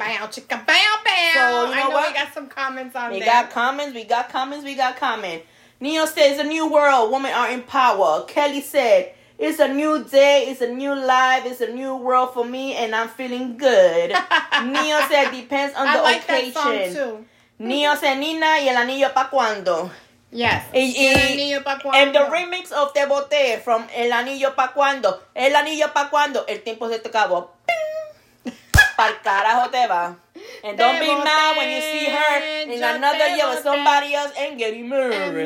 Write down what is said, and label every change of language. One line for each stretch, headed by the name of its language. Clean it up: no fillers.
English: Bow, chicka, bow, bow. So, you know what? We got some comments on there. We got comments. Neo says, it's a new world. Women are in power. Kelly said, it's a new day, it's a new life, it's a new world for me, and I'm feeling good. Neo said, depends on the occasion. I like that song, too. Neo said,
Spanish: Nina, y el anillo pa' cuando.
English: Yes,
Spanish: y el anillo pa' cuando.
English: And the remix of Te Boté from El Anillo Pa' Cuando.
Spanish: El Anillo Pa' Cuando, el tiempo se te acabó. Ping! Pa'l carajo te va.
English: And don't be mad when you see her in another year with somebody else and getting married.